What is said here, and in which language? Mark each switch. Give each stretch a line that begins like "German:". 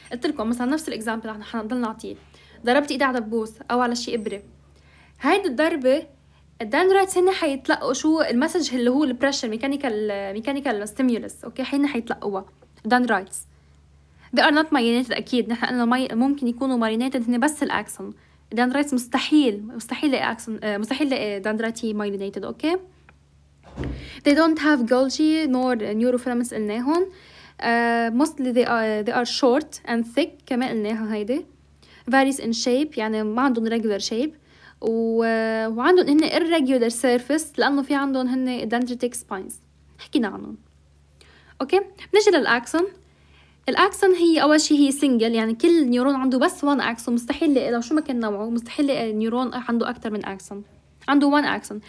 Arabic: قلت لكم مثلا نفس الاكزامبل اللي احنا حنضل نعطيه، ضربت ايدي على دبوس او على شيء ابره، هيدي الضربه الدندرايتس هن حيتلقوا شو المسج اللي هو البريشر ميكانيكال ستيمولس. اوكي هن حيتلقوها دندرايتس.
English: They are not marinated،
Arabic: اكيد نحن قلنا ممكن يكونوا marinated هن بس الاكسون. دندرايتس مستحيل اكسون، مستحيل لاقي دندرايتي marinated.
English: okay they don't have Golgi nor neurofilaments
Arabic: قلناهم.
English: Mostly they are short and thick
Arabic: كما قلناها. هيدي
English: varies in shape،
Arabic: يعني ما عندهم
English: regular shape،
Arabic: وعندهم هن
English: irregular surface
Arabic: لأنه في عندهم هن
English: dendritic spines
Arabic: حكينا عنهم. اوكي بنجي للأكسون. الأكسون هي أول شيء هي single، يعني كل نيورون عنده بس
English: one axon،
Arabic: مستحيل لو شو ما كان نوعه مستحيل نيورون عنده أكتر من axon، عنده one axon.